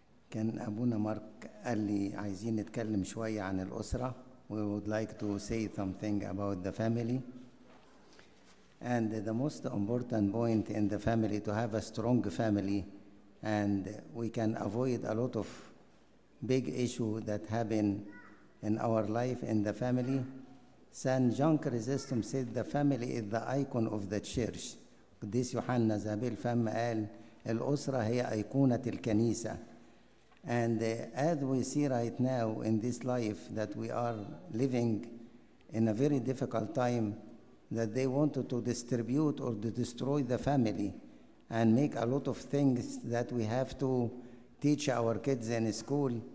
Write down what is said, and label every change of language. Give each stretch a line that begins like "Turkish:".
Arabic: كان أبونا مارك قال لي عايزين نتكلم شوية عن الأسرة.
English: We would like to say something about the family. And the most important point in the family to have a strong family, and we can avoid a lot of big issues that happen in our life in the family. San John Chrysostom said the family is the icon of the church.
Arabic: قديس يوحنا زابيل فم قال الأسرة هي أيقونة الكنيسة.
English: And as we see right now in this life that we are living in a very difficult time, that they wanted to distribute or to destroy the family and make a lot of things that we have to teach our kids in school.